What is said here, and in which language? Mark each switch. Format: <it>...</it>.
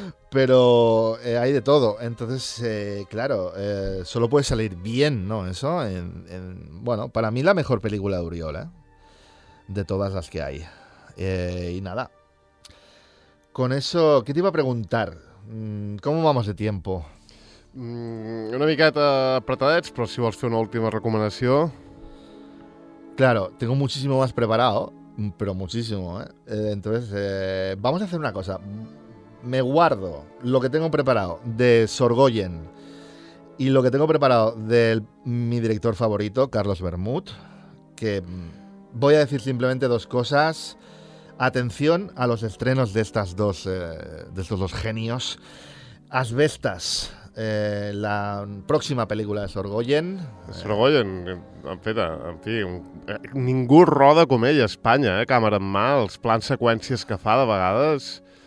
<es>Pero hay de todo. Entonces, claro, solo puede salir bien, ¿no? Eso, bueno, para mí la mejor película de Oriol, ¿eh? De todas las que hay. Y nada. Con eso, ¿qué te iba a preguntar? ¿Cómo vamos de tiempo?</es> <ca>Una miqueta apretadets, però si vols fer una última recomanació.</ca> <es>Claro, tengo muchísimo más preparado, pero muchísimo, ¿eh? Entonces, vamos a hacer una cosa. Me guardo lo que tengo preparado de Sorgoyen y lo que tengo preparado de mi director favorito, Carlos Bermúdez, que... Voy a decir simplemente dos cosas. Atención a los estrenos de estas dos, de estos dos genios. Asbestas, la próxima película de Sorgoyen.</es> <ca>Sorgoyen, en fi, ningú roda com ell a Espanya, càmera en mà, els plans seqüències que fa de vegades.</ca>